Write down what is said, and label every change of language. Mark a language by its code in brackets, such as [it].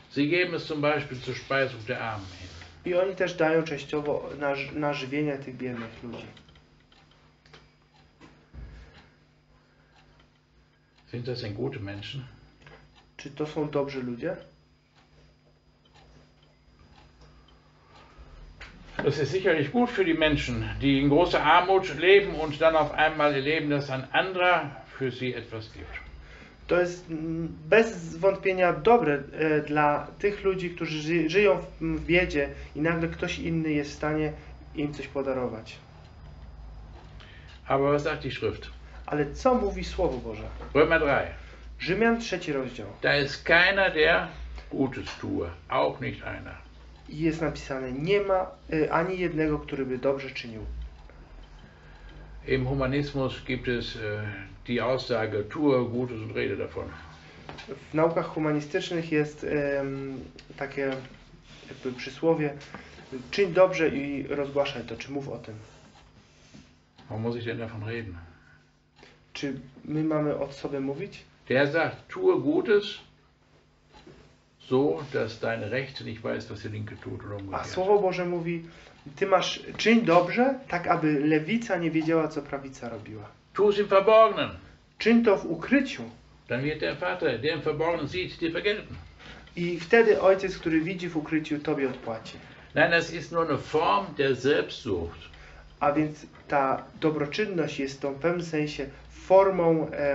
[de] Sie geben es zum Beispiel zur Speisung der Armen. [pl] I oni też dają częściowo na żywienie tych biednych ludzi. [de] Sind das denn gute Menschen? [pl] Czy to są dobrzy ludzie? [de] Das ist sicherlich gut für die Menschen, die in großer Armut leben und dann auf einmal erleben, dass ein anderer für sie etwas gibt. [pl] To jest bez wątpienia dobre dla tych ludzi, którzy żyją w biedzie i nagle ktoś inny jest w stanie im coś podarować. [de] Aber was sagt die Schrift? [pl] Ale co mówi Słowo Boże? [de] Römer 3. [pl] Rzymian 3 rozdział. [de] Da ist keiner, der Gutes tue, auch nicht einer. [pl] Jest napisane, nie ma ani jednego, który by dobrze czynił. [de] Im Humanismus gibt es die Aussage, tue Gutes und rede davon. [pl] W naukach humanistycznych jest takie jakby przysłowie, czyń dobrze i rozgłaszaj to, czy mów o tym. [de] Warum muss ich denn davon reden? [pl] Czy my mamy o sobie mówić? [de] Der sagt, tue Gutes. So, dass deine Rechte nicht weiß, was die Linke tut. [pl] A Słowo Boże mówi, ty masz, czyń dobrze, tak aby lewica nie wiedziała, co prawica robiła. [de] Tu es im Verborgenen. [pl] Czyń to w ukryciu. [de] Dann wird der Vater, der im Verborgenen sieht, dir vergelten. [pl] I wtedy ojciec, który widzi w ukryciu, tobie odpłaci. [de] Nein, das ist nur eine Form der Selbstsucht. [pl] A więc ta dobroczynność jest tą w pewnym sensie formą